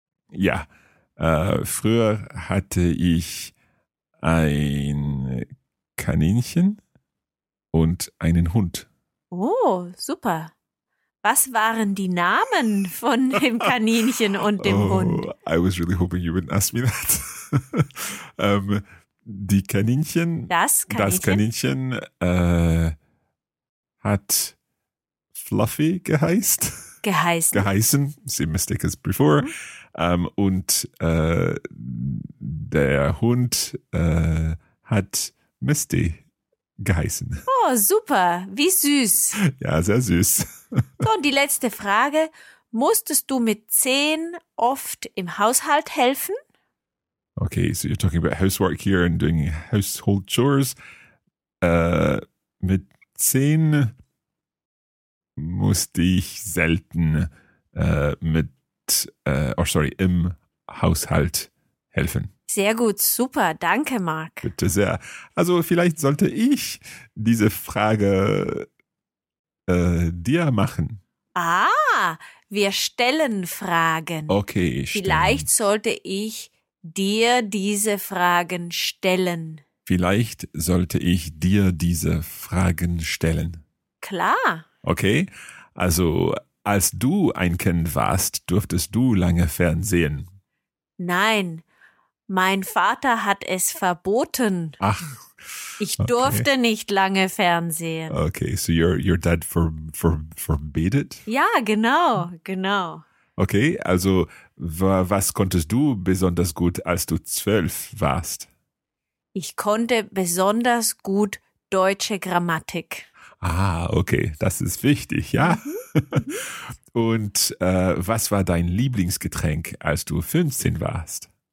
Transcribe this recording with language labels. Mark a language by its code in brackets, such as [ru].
[de] Ja, früher hatte ich ein Kaninchen und einen Hund. Oh, super. Was waren die Namen von dem Kaninchen und dem Hund? [en] I was really hoping you wouldn't ask me that. [de] Das Kaninchen hat Fluffy geheißt. Geheißen, [en] same mistake as before. Mhm. [de] Der Hund hat Misty geheißen. Oh, super, wie süß. Ja, sehr süß. So, und die letzte Frage. Musstest du mit 10 oft im Haushalt helfen? [en] Okay, so you're talking about housework here and doing household chores. [de] Mit 10 musste ich selten im Haushalt helfen. Sehr gut, super, danke, Marc. Bitte sehr. Also vielleicht sollte ich diese Frage dir machen. Ah, wir stellen Fragen. Okay, vielleicht sollte ich dir diese Fragen stellen. Vielleicht sollte ich dir diese Fragen stellen. Klar. Okay, also als du ein Kind warst, durftest du lange fernsehen? Nein, mein Vater hat es verboten. Ach, ich durfte nicht lange fernsehen. [en] Okay, so your dad forbid it? [de] Ja, genau. Okay, also was konntest du besonders gut, als du 12 warst? Ich konnte besonders gut deutsche Grammatik. Ah, okay, das ist wichtig, ja. Und was war dein Lieblingsgetränk, als du 15 warst?